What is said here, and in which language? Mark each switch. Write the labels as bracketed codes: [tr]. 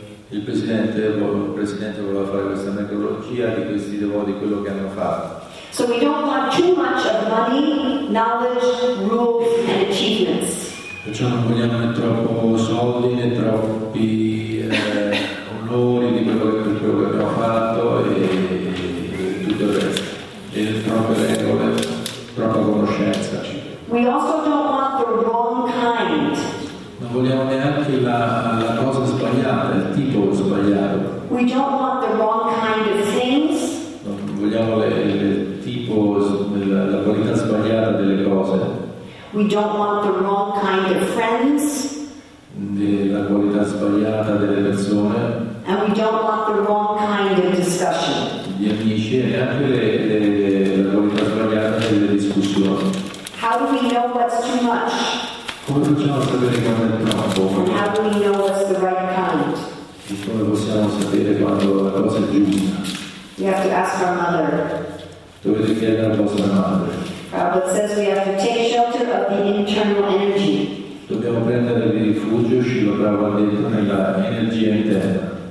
[it] Il presidente voleva fare questa necrologia di questi devoti, quello che hanno fatto. [en] So we don't want too much of money, knowledge, rules and achievements. [it] Perciò non vogliamo né troppo soldi né troppi onori di quello che abbiamo fatto e tutto il resto. E troppe regole, troppa conoscenza. [en] We also don't want the wrong kind. [it] Non vogliamo neanche la cosa sbagliata, il tipo sbagliato. [en] We don't want the wrong kind of things. [it] Non vogliamo il tipo, la qualità sbagliata delle cose. [en] We don't want the wrong kind of friends. [it] La qualità sbagliata delle persone. [en] And we don't want the wrong kind of discussion. [it] Gli amici e anche la qualità sbagliata delle discussioni. [en] How do we know what's too much? [it] Come facciamo a sapere quando è troppo? [en] And how do we know what's the right kind? [it] Come possiamo sapere quando la cosa è giusta? [en] We have to ask our mother. [it] Dovete chiedere a vostra madre. [en] Prabhupada says we have to take shelter of the internal energy. [it] Dobbiamo prendere il rifugio, Srila Prabhupada ha detto, nella energia interna.